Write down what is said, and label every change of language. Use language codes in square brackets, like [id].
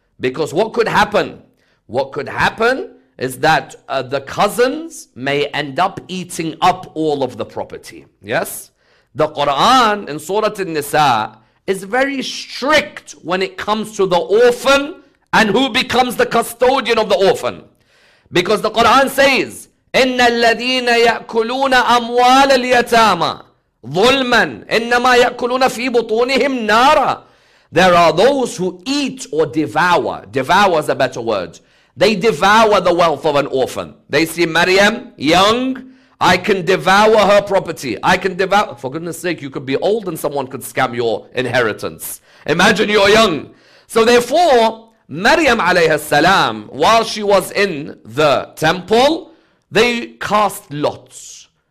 [en] Because what could happen? What could happen is that the cousins may end up eating up all of the property. Yes? The Quran in Surah An-Nisa is very strict when it comes to the orphan and who becomes the custodian of the orphan. Because the Quran says, [ar] إِنَّ الَّذِينَ يَأْكُلُونَ أَمْوَالَ الْيَتَامَ ظُلْمًا إِنَّمَا يَأْكُلُونَ فِي بُطُونِهِمْ نَارًا. [en] There are those who eat or devour. Devour is a better word. They devour the wealth of an orphan. They see Maryam, young, I can devour her property. I can devour, for goodness sake, you could be old and someone could scam your inheritance. Imagine you're young. So therefore, Maryam alayha salam, while she was in the temple, they cast lots.